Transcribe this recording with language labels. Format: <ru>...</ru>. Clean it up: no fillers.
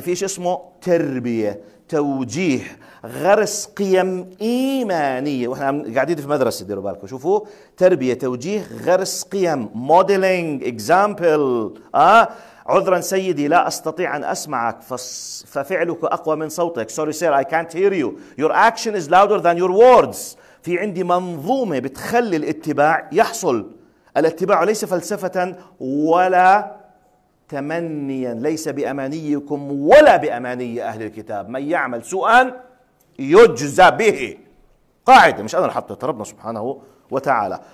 <ar>في شيء اسمه تربية، توجيه، غرس قيم إيمانية. وإحنا قاعدين في مدرسة ديروا بالكم، شوفوا تربية توجيه غرس قيم،</ar> <en>Modeling example.</en> <ar>عذرا سيدي لا أستطيع أن أسمعك ففعلك أقوى من صوتك.</ar> <en>Sorry sir I can't hear you. Your action is louder than your words.</en> <ar>في عندي منظومة بتخلي الاتباع يحصل. الاتباع ليس فلسفة ولا تمنيا، ليس بأمانيكم ولا بأماني أهل الكتاب. من يعمل سوءا يجزى به. قاعدة مش أنا اللي حطيتها، ربنا سبحانه وتعالى.</ar>